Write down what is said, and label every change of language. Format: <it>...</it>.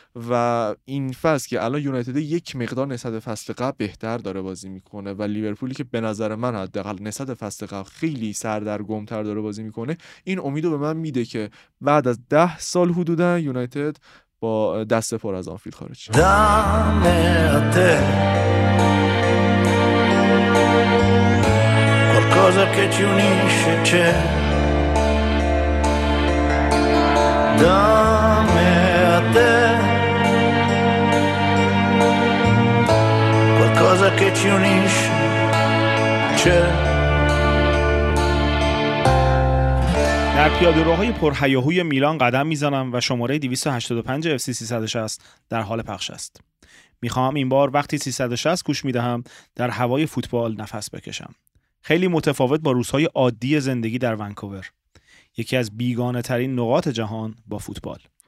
<fa>و این فصل که الان یونایتد یک مقدار نسبت فصل قبل بهتر داره بازی میکنه و لیورپولی که به نظر من حداقل نسبت فصل قبل خیلی سردرگم‌تر داره بازی میکنه، این امیدو به من میده که بعد از 10 سال حدودا یونایتد با دست پر از آنفیلد خارج شه.</fa> <it>Cosa che ci unisce c'è da me a te, qualcosa che ci unisce c'è.</it> <fa>در پیاده روهای پرهیاهوی میلان قدم میزنم و شماره 285 FC 360 در حال پخش است. میخواهم این بار وقتی 360 گوش میدهم در هوای فوتبال نفس بکشم. خیلی متفاوت با روزهای عادی زندگی در ونکوور، یکی از بیگانه ترین نقاط جهان با فوتبال.</fa>